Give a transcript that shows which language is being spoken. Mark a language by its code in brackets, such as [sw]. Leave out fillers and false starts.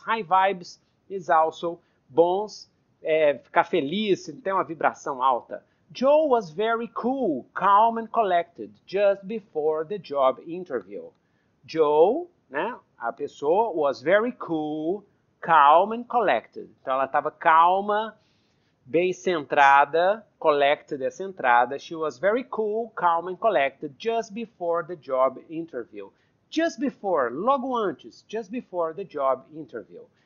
[en] High vibes is also bons. [pt] É, ficar feliz, ter uma vibração alta. [en] Joe was very cool, calm and collected, just before the job interview. Joe, [pt] né, a pessoa, [en] was very cool, calm and collected. [pt] Então, ela estava calma, bem centrada, collected é centrada. [en] She was very cool, calm and collected, just before the job interview. Just before, [pt] logo antes, [en] just before the job interview.